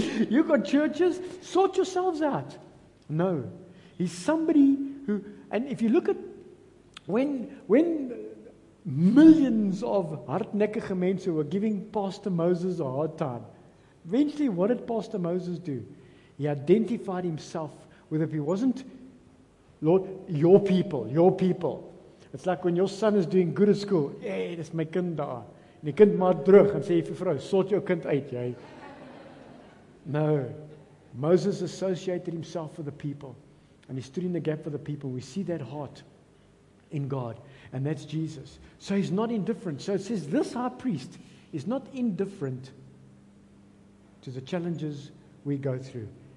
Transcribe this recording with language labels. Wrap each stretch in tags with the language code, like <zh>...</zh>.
<en>You got churches, sort yourselves out. No, he's somebody who, and if you look at when millions of</en> <af>hardnekkige</af> <en>mense were giving Pastor Moses a hard time, eventually what did Pastor Moses do? He identified himself with, if he wasn't, Lord, your people, your people. It's like when your son is doing good at school.</en> <af>Hey, dis my kind daar. En die kind maak terug en sê vir vrou, sort jou kind uit, jy.</af> <en>No. Moses associated himself with the people. And he stood in the gap for the people. We see that heart in God. And that's Jesus. So he's not indifferent. So it says this high priest is not indifferent to the challenges we go through.</en>